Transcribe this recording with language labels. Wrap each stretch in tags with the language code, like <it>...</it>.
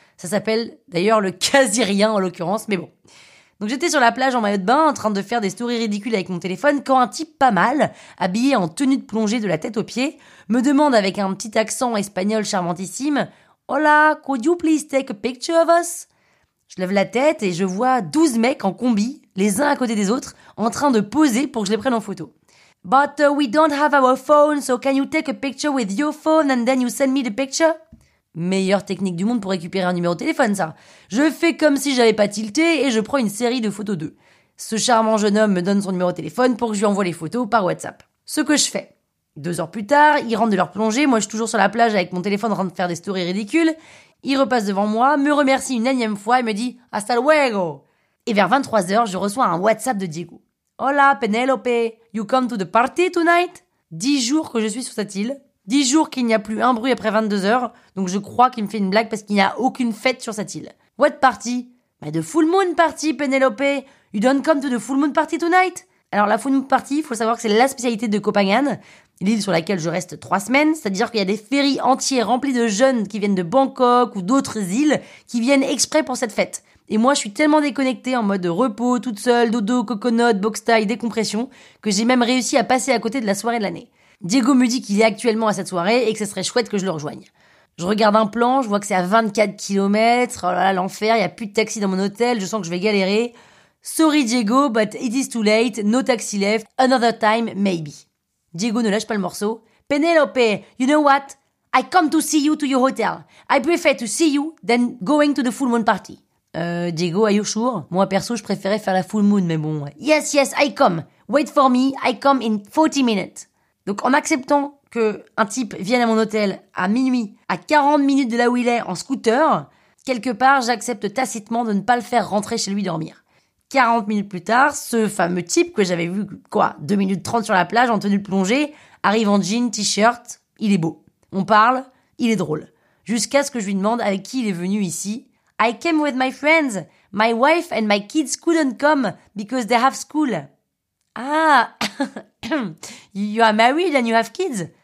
<fr>Ça s'appelle d'ailleurs le quasi-rien en l'occurrence, mais bon. Donc j'étais sur la plage en maillot de bain, en train de faire des stories ridicules avec mon téléphone, quand un type pas mal, habillé en tenue de plongée de la tête aux pieds, me demande avec un petit accent espagnol charmantissime «</fr> <es>Hola,</es> <en>could you please take a picture of us ?»</en> <fr>Je lève la tête et je vois 12 mecs en combi, les uns à côté des autres, en train de poser pour que je les prenne en photo.</fr> <en>« But we don't have our phone, so can you take a picture with your phone and then you send me the picture ?»</en> <fr>Meilleure technique du monde pour récupérer un numéro de téléphone, ça. Je fais comme si j'avais pas tilté et je prends une série de photos d'eux. Ce charmant jeune homme me donne son numéro de téléphone pour que je lui envoie les photos par WhatsApp. Ce que je fais. 2 heures plus tard, ils rentrent de leur plongée, moi je suis toujours sur la plage avec mon téléphone en train de faire des stories ridicules. Il repasse devant moi, me remercie une énième fois et me dit «</fr> <es>Hasta luego !»</es> <fr>Et vers 23h, je reçois un WhatsApp de Diego. «</fr> <en>Hola Penélope, you come to the party tonight ?»</en> <fr>10 jours que je suis sur cette île. 10 jours qu'il n'y a plus un bruit après 22h, donc je crois qu'il me fait une blague parce qu'il n'y a aucune fête sur cette île.</fr> <en>What party?</en> <fr>Mais</fr> <en>the full moon party, Penélope. You don't come to the full moon party tonight?</en> <fr>Alors la full moon party, il faut savoir que c'est la spécialité de Copangan, l'île sur laquelle je reste 3 semaines, c'est-à-dire qu'il y a des ferries entiers remplis de jeunes qui viennent de Bangkok ou d'autres îles qui viennent exprès pour cette fête. Et moi, je suis tellement déconnectée en mode repos, toute seule, dodo, coconut, box tie, décompression, que j'ai même réussi à passer à côté de la soirée de l'année. Diego me dit qu'il est actuellement à cette soirée et que ce serait chouette que je le rejoigne. Je regarde un plan, je vois que c'est à 24 km, oh là là, l'enfer, il n'y a plus de taxi dans mon hôtel, je sens que je vais galérer.</fr> <en>Sorry Diego, but it is too late, no taxi left, another time, maybe.</en> <fr>Diego ne lâche pas le morceau.</fr> <en>Penélope, you know what? I come to see you to your hotel. I prefer to see you than going to the full moon party. Diego, are you sure?</en> <fr>Moi perso, je préférais faire la full moon, mais bon.</fr> <en>Yes, yes, I come. Wait for me, I come in 40 minutes.</en> <fr>Donc en acceptant qu'un type vienne à mon hôtel à minuit, à 40 minutes de là où il est, en scooter, quelque part j'accepte tacitement de ne pas le faire rentrer chez lui dormir. 40 minutes plus tard, ce fameux type que j'avais vu, quoi, 2 minutes 30 sur la plage en tenue de plongée, arrive en jean, t-shirt, il est beau. On parle, il est drôle. Jusqu'à ce que je lui demande avec qui il est venu ici.</fr> <en>I came with my friends, my wife and my kids couldn't come because they have school. Ah, you are married and you have kids?</en>